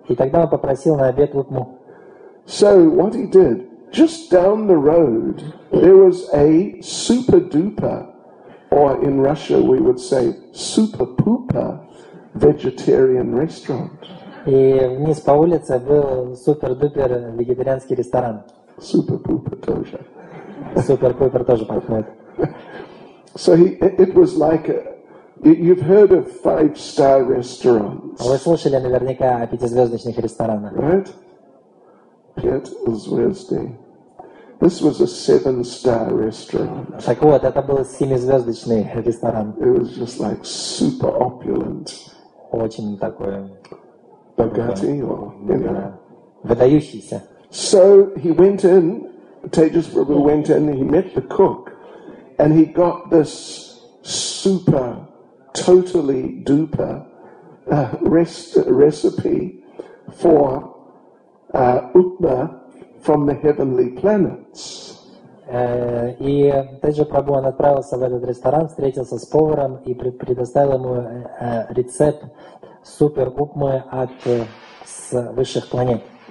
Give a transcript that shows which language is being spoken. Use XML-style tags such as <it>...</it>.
<ru>И тогда он попросил на обед упму.</ru> <en>So, what he did, just down the road, there was a super duper. Or in Russia we would say super pooper vegetarian restaurant.</en> <ru>И вниз по улице был супер дупер вегетарианский ресторан.</ru> <en>Super pooper</en> <ru>тоже. Супер пупер тоже подходит.</ru> <en>So it was like you've heard of five-star restaurants.</en> <ru>Вы слышали наверняка о пятизвездочных ресторанах.</ru> <en>Right?</en> <ru>Пятизвездный.</ru> <en>This was a seven-star restaurant.</en> <ru>Так вот, это был семизвездочный ресторан.</ru> <en>It was just like super opulent.</en> <ru>Очень такое. Богатый,</ru> <en>you know.</en> <ru>Выдающийся.</ru> <en>So he went in. Tejas Prabhu went in. He met the cook, and he got this super, totally duper recipe for upma from the heavenly planets.</en> <ru>И Теджа Прабу он отправился в этот ресторан, встретился с поваром и предоставил ему рецепт супер упмы от с высших планет.</ru>